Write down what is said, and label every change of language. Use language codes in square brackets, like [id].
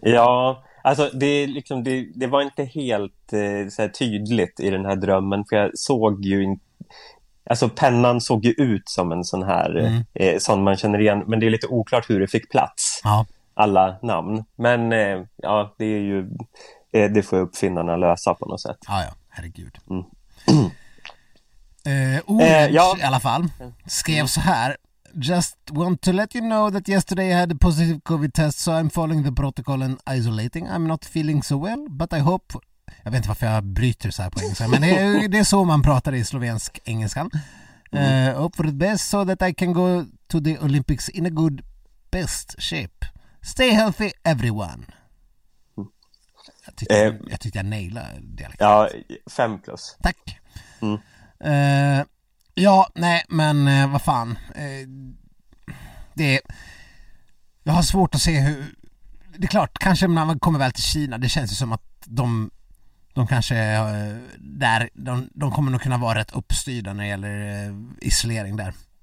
[sv] Ja, alltså det liksom, det var inte helt så här tydligt i den här drömmen, för jag såg ju inte, alltså pennan såg ju ut som en sån här, sån man känner igen, men det är lite oklart hur det fick plats, alla namn. Men ja, det är ju, det får ju uppfinnarna lösa på något sätt. Ja, herregud. Ja. I alla fall skrev så här: [en] just want to let you know that yesterday I had a positive covid test, so I'm following the protocol and isolating. I'm not feeling so well, but I hope. [sv] Jag vet inte varför jag bryter så här på engelska, men det är så man pratar i slovensk engelskan. [en] Hope for the best so that I can go to the Olympics in a good best shape. Stay healthy everyone. [sv] Jag tyckte jag nailade dialekten. Ja, 5+. Tack. Ja, nej, men vad fan. Jag har svårt att se hur. Det är klart, kanske när man kommer väl till Kina, det känns ju som att de kanske där de kommer nog kunna vara rätt uppstyrda när det gäller isolering där.